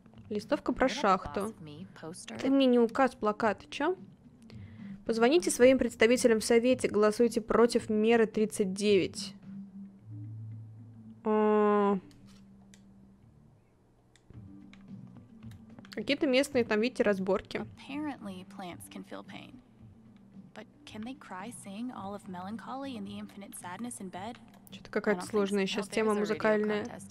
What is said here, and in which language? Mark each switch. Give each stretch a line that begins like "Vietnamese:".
Russian: Листовка про шахту. Ты мне не указ, плакат, чё? Позвоните своим представителям в совете, голосуйте против меры 39. Какие-то местные там, видите, разборки.
English: But can they cry sing all of melancholy and the infinite sadness in bed?
Russian: Что-то какая-то сложная сейчас тема музыкальная.